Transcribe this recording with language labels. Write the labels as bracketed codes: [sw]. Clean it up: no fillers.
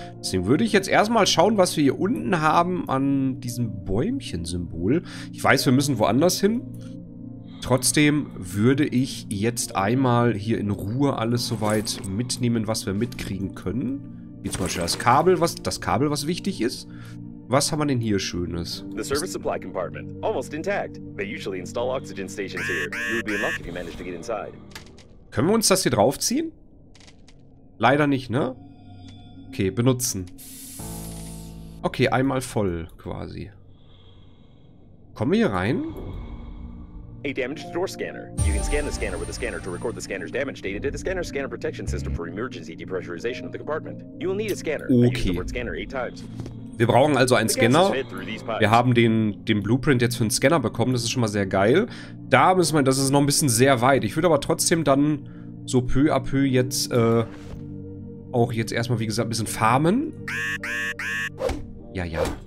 [de] Deswegen würde ich jetzt erstmal schauen, was wir hier unten haben an diesem Bäumchen-Symbol. Ich weiß, wir müssen woanders hin. Trotzdem würde ich jetzt einmal hier in Ruhe alles soweit mitnehmen, was wir mitkriegen können. Wie zum Beispiel das Kabel, was wichtig ist. Was haben wir denn hier Schönes? [en] The service supply compartment. Almost intact. They usually install oxygen stations here. You would be in luck if you managed to get inside. [de] Können wir uns das hier draufziehen? Leider nicht, ne? Okay, benutzen. Okay, einmal voll quasi. Kommen wir hier rein? [en] A damaged door scanner. You can scan the scanner with a scanner to record the scanner's damage data to the scanner's scanner protection system for emergency depressurization of the compartment. You will need a scanner. Okay. I use the word scanner 8 times. [de] Wir brauchen also einen Scanner. Wir haben den Blueprint jetzt für einen Scanner bekommen. Das ist schon mal sehr geil. Da müssen wir, das ist noch ein bisschen sehr weit. Ich würde aber trotzdem dann so peu à peu jetzt, auch jetzt erstmal, wie gesagt, ein bisschen farmen. Ja, ja.